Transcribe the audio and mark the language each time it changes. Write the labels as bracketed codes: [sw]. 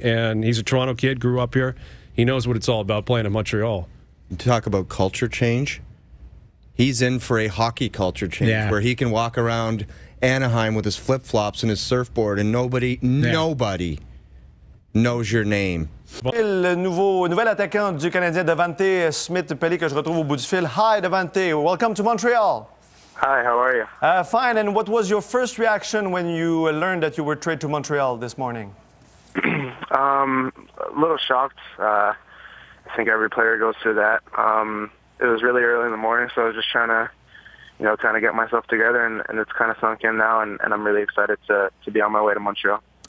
[en] And he's a Toronto kid, grew up here. He knows what it's all about playing in Montreal. You talk about culture change. He's in for a hockey culture change where he can walk around Anaheim with his flip-flops and his surfboard and nobody knows your name. [fr] Le nouvel attaquant du Canadien, Devante Smith-Pelly, que je retrouve au bout du fil. [en] Hi, Devante. Welcome to Montreal. Hi, how are you? Fine. And what was your first reaction when you learned that you were traded to Montreal this morning? A little shocked. I think every player goes through that. It was really early in the morning, so I was just trying to, you know, kind of get myself together, and it's kind of sunk in now, and I'm really excited to be on my way to Montreal.